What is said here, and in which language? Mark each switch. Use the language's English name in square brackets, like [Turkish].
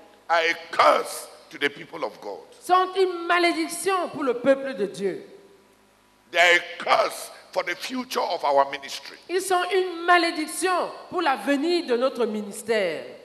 [English] are a curse to the people of God. [French] Sont une malédiction pour le peuple de Dieu. [English] They are a curse for the future of our ministry. [French] Ils sont une malédiction pour l'avenir de notre ministère.